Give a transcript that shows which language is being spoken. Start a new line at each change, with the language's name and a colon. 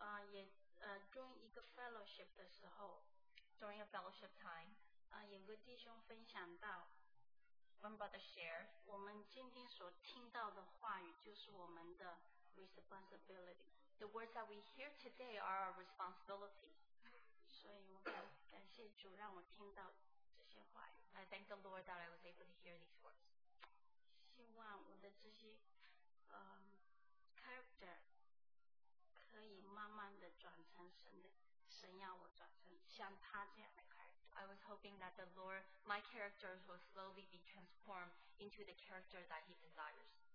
Chinese: 也during一个 fellowship 的时候
English: during a fellowship time
Chinese: 有个弟兄分享到
English: one brother shared
Chinese: 我们今天所听到的话语就是我们的 responsibility.
English: The words that we hear today are our responsibility.
Chinese: 所以我感谢主让我听到这些话语。
English: I thank the Lord that I was able to hear these words.
Chinese: 希望我的这些 character 可以慢慢的转成神的，神要我转成像他这样的character。
English: I was hoping that the Lord, my characters will slowly be transformed into the character that He desires.